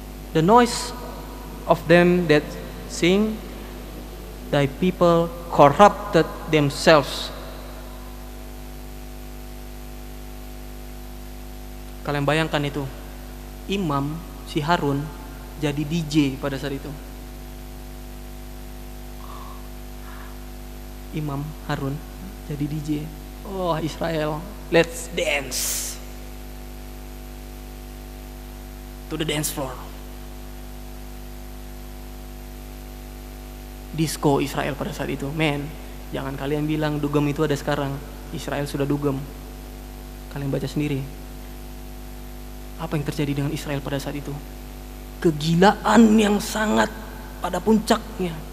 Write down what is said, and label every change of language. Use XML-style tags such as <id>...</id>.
<en>The noise of them that sing, thy people corrupted themselves.</en> <id>Kalian bayangkan itu, imam si Harun jadi DJ pada saat itu. Imam Harun jadi DJ.</id> <en>Oh, Israel, let's dance to the dance floor.</en> <id>Disco Israel pada saat itu, man. Jangan kalian bilang dugem itu ada sekarang. Israel sudah dugem. Kalian baca sendiri. Apa yang terjadi dengan Israel pada saat itu? Kegilaan yang sangat pada puncaknya.</id>